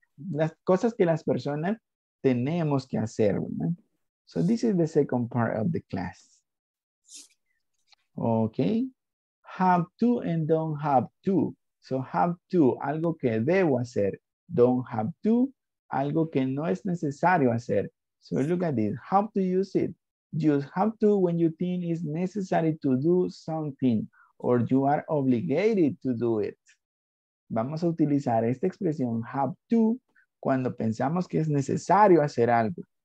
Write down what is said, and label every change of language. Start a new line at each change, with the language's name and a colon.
Spanish: Las cosas que las personas tenemos que hacer, ¿no?
English: So this is the second part of the class. Okay. Have to and don't have to. So have to,
Spanish: algo que debo hacer.
English: Don't have to,
Spanish: algo que no es necesario hacer.
English: So look at this. How to use it. Use have to when you think it's necessary to do something or you are obligated to do it.
Spanish: Vamos a utilizar esta expresión have to cuando pensamos que es necesario hacer algo.